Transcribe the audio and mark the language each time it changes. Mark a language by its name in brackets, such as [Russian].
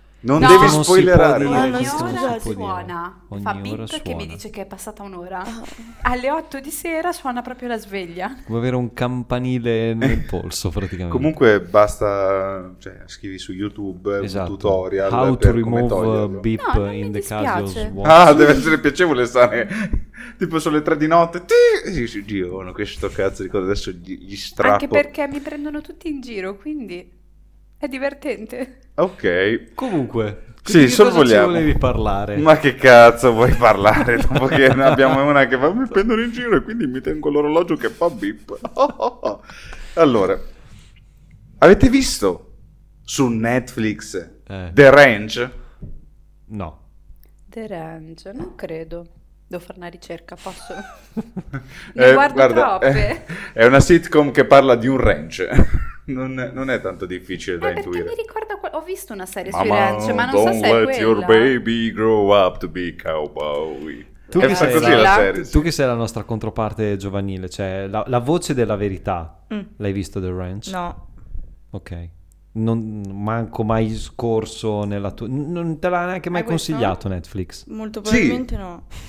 [Italian] Non devi spoilerare. Ogni ora suona, fa bip che mi dice che è passata un'ora. Alle 8 di sera suona proprio la sveglia. Vuoi avere un campanile nel polso praticamente. Comunque basta, cioè, scrivi su YouTube un tutorial. [English] How to remove beep in the case of swan. [Italian] Ah, deve essere piacevole stare tipo sulle 3 di notte. Giro, questo cazzo di cosa adesso gli strappo. Anche perché mi prendono tutti in giro, quindi è divertente. Ok. Comunque, sì, di cosa ci volevi parlare? Ma che cazzo vuoi parlare? Dopo che ne abbiamo una che fa, mi prendono in giro e quindi mi tengo l'orologio che fa bip. Allora, avete visto su Netflix The Ranch? No. The Ranch? Non credo. Devo fare una ricerca, posso? Ne guardo troppe. È una sitcom che parla di un ranch. Non è tanto difficile da intuire. Perché mi ricorda, ho visto una serie sui ranch, ma non so se è quella. [English] Don't let your baby grow up to be cowboy. [Italian] Tu che sei così la serie, sì. Tu che sei la nostra controparte giovanile, cioè la voce della verità, l'hai visto The Ranch? No. Ok. Non manco mai scorso nella tua... Non te l'ha neanche mai consigliato Netflix? Molto probabilmente sì. No.